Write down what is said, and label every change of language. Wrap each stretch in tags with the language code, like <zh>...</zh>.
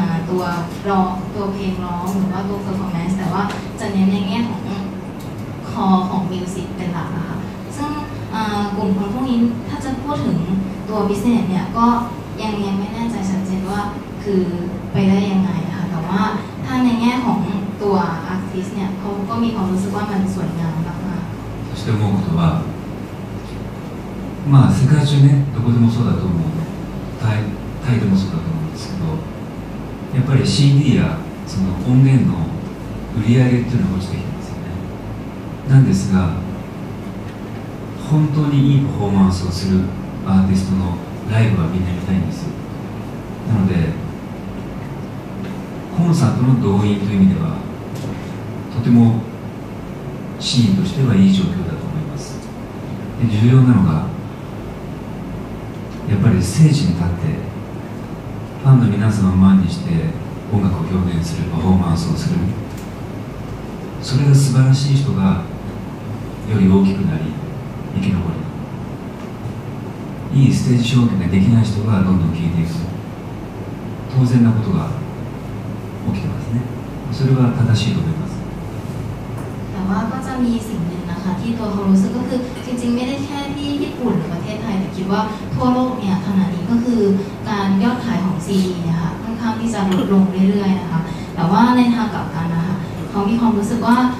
<th>ตัวร้องตัวเพลงร้องหรือว่าตัวเพอร์ฟอร์แมนซ์แต่ว่าจะเน้นในแง่ของคอของมิวสิกเป็นหลักนะคะซึ่งกลุ่มคนพวกนี้ถ้าจะพูดถึงตัวบิสเนสเนี่ยก็ยังไม่แน่ใจชัดเจนว่าคือไปได้ยังไงคะแต่ว่าถ้าในแง่ของตัวอาร์ติสเนี่ยเขาก็มีความรู้สึกว่ามันสวยงามมาก</th> <ja>そして思うことはまあ世界中ねどこでもそうだと思うタイでもそうだと思うんですけどやっぱり CD やその音源の売り上げっていうのが落ちてきてますよね。なんですが本当にいいパフォーマンスをするアーティストのライブはみんな見たいんです。なのでコンサートの動員という意味ではとてもシーンとしてはいい状況だと思います。で重要なのがやっぱり聖地に立ってファンの皆様を前にして音楽を表現するパフォーマンスをする、それが素晴らしい人がより大きくなり生き残り、いいステージ表現ができない人がどんどん消えていく、当然なことが起きてますね。それは正しいと思います。</ja> <th>แต่ว่าก็จะมีสิ่งหนึ่งนะคะที่ตัวเขารู้สึกก็คือจริงๆไม่ได้แค่ที่ญี่ปุ่นหรือประเทศไทยแต่คิดว่าทั่วโลกเนี่ยขณะนี้ก็คือการยอดขายของซีดีเนี่ยค่ะค่อนข้างที่จะลดลงเรื่อยๆนะคะแต่ว่าในทางกลับกันนะคะเขามีความรู้สึกว่า</th>